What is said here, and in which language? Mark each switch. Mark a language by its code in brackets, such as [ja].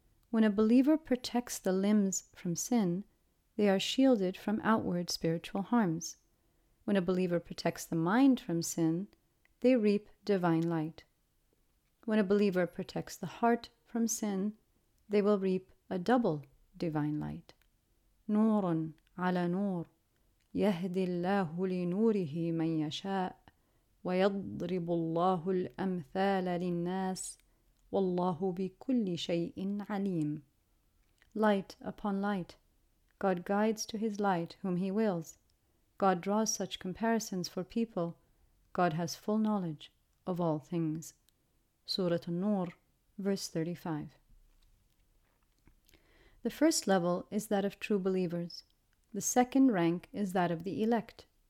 [en] When a believer protects the limbs from sin, they are shielded from outward spiritual harms. When a believer protects the mind from sin, they reap divine light. When a believer protects the heart from sin, they will reap a double divine light. [ar] نورٌ على نور يهدي الله لنوره من يشاء ويضرب الله الأمثال للناس والله بكل شيء عليم. [en] Light upon light. God guides to His light whom He wills. God draws such comparisons for people. God has full knowledge of all things. Surah An-Nur, verse 35. The first level is that of true believers. The second rank is that of the elect.